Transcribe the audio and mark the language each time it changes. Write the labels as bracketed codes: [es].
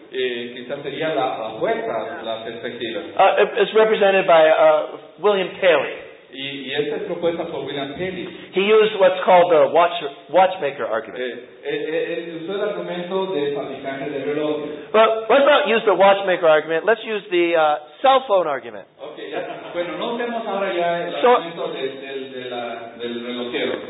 [es] Quizás sería la opuesta, la perspectiva. [en] It's represented by William Paley. [es] Y esta es propuesta por William Paley. [en] He used what's called the watchmaker argument. [es] Usó el argumento de fabricante de relojes. [en] But let's not use the watchmaker argument. Let's use the cell phone argument. [es] Okay, ya. Bueno, no tenemos ahora ya el argumento del relojero.